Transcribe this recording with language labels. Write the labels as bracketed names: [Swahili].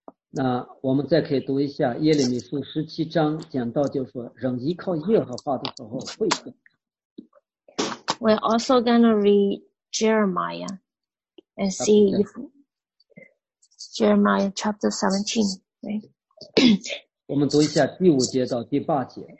[Chinese] 那我们再可以读一下耶利米书十七章，讲到就是说人依靠耶和华的时候会更。 [English] We're also going to read Jeremiah and see if Jeremiah chapter 17, right? [Chinese] 我们读一下第五节到第八节。